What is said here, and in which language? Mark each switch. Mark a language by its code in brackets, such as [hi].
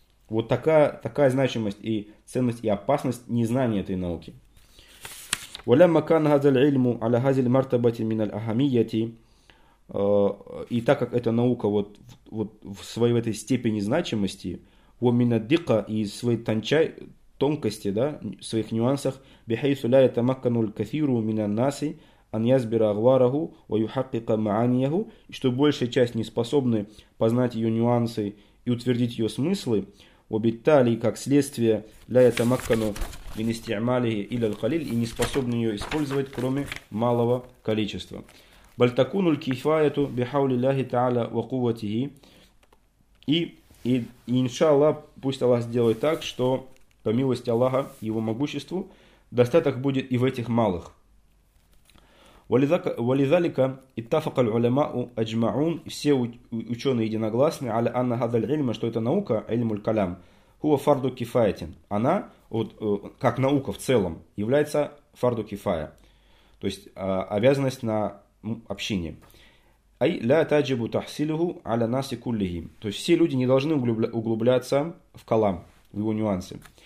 [ru] Вот такая значимость и ценность, и опасность незнания этой науки. [ar] وَلَمَّا كَانَ هَذَا الْعِلْمُ عَلَى هَذِي الْمَرْتَبَةِ مِنَ الْأَهَمِيَّةِ. [ru] И так как эта наука вот в своей в этой степени значимости, [ar] وَمِنَ الدِّقَ. [ru] И своей тончай тонкости, да, в своих нюансах, [ar] بِحَيْثُ لَا يَتَمَكَّنُ الْكَثِيرُ مِنَ النَّاسِ أَنْ يَزْبِرَ أَغْوَارَهُ وَيُحَقِّقَ مَعَانِيَهُ. [ru] И что большая часть не способны познать ее нюансы и утвердить ее смыслы, [ar] وَبِالتَّالِ. [ru] Как следствие, [ar] لَا يَتَمَكَّنُ مِنْ إِسْتِعْمَالِهِ إِلَّا الْقَلِيلِ. [ru] И не способны ее использовать, кроме малого количества. [ar] بَلْتَكُنُ الْكِفَايَةُ بِحَوْلِ اللَّهِ تَعَالَى وَقُوَّتِهِ. [ru] И иншаллах, пусть Аллах сделает так, что по милости Аллаха, его могуществу, достаток будет и в этих малых. [ar] وَلِذَلِكَ اتَّفَقَ الْعُلَمَاءُ أَجْمَعُونَ. [ru] Все ученые единогласны, [ar] عَلَى أَنَّ هَذَا الْعِلْمَ, [ru] что это наука, [ar] عِلْمُ الْكَلَامُ, هُوَ فَرْضُ كِفَايَةٍ. [ru] Она, вот, как наука в целом, является фарду кифая, то есть обязанность на общине. [ar] أي لا تجب تحصيله على الناس كلهم. [ru] То есть все люди не должны углубляться в калам, в его нюансы.